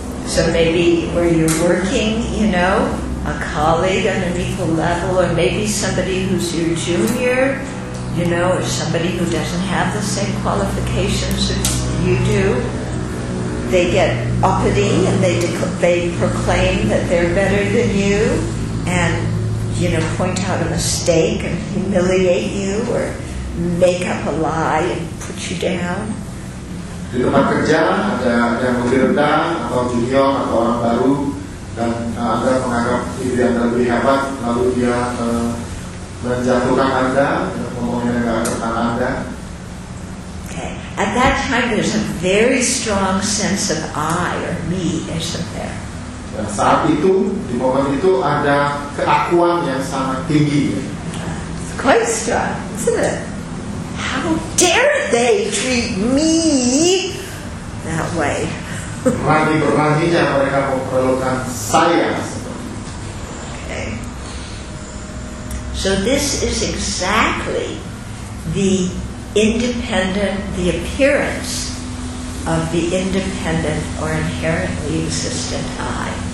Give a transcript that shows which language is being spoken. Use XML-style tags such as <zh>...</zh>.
<en>So maybe where you're working, you know, a colleague on an equal level, or maybe somebody who's your junior, you know, or somebody who doesn't have the same qualifications as you do, they get uppity and they proclaim that they're better than you, and you know, point out a mistake and humiliate you or make up a lie and put you down.</en> <id>Di tempat kerja ada yang lebih rendah atau junior atau orang baru dan Anda menganggap diri Anda lebih hebat, lalu dia menjatuhkan Anda, ngomongnya enggak tentang Anda.</id> <en>Okay. At that time there's a very strong sense of I or me, isn't there?</en> <id>Dan saat itu, di momen itu ada keakuan yang sangat tinggi.</id> <en>It's quite strong, isn't it? How dare they treat me that way?</en> <id>Berani-beraninya mereka memperlakukan saya.</id> <en>Okay. So this is exactly the independent, the appearance of the independent or inherently existent I.</en>